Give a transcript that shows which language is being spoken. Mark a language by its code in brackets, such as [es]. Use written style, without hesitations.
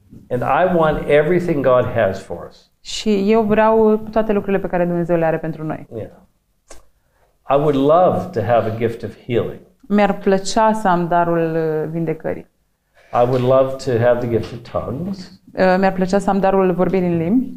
[en] And I want everything God has for us. [ro] Și eu vreau toate lucrurile pe care Dumnezeu le are pentru noi. [en] I would love to have a gift of healing. [ro] Mi-ar plăcea să am darul vindecării. [en] I would love to have the gift of tongues. [ro] Mi-ar plăcea să am darul vorbirii în limbi.